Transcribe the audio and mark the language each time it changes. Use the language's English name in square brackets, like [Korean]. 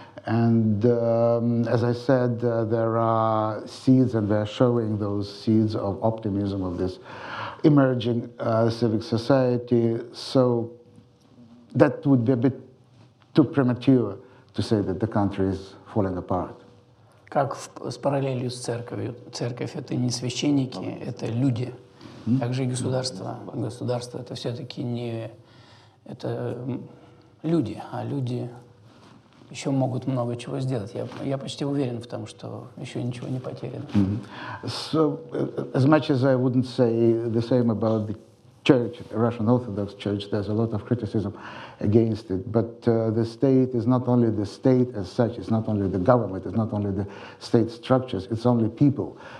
[English] And as I said, there are seeds, and they're showing those seeds of optimism of this emerging civic society. So that would be a bit too premature to say that the country is falling apart. [Russian] Как с параллелью с церковью? Церковь — это не священники, это люди. Также и государство. Государство — это все-таки не... Это люди, а люди еще могут много чего сделать. Я почти уверен в том, что еще ничего не потеряно. Mm-hmm. [English] So, as much as I wouldn't say the same about the Church, Russian Orthodox Church, there's a lot of criticism against it. But the state is not only the state as such, it's not only the government, it's not only the state structures, it's only people.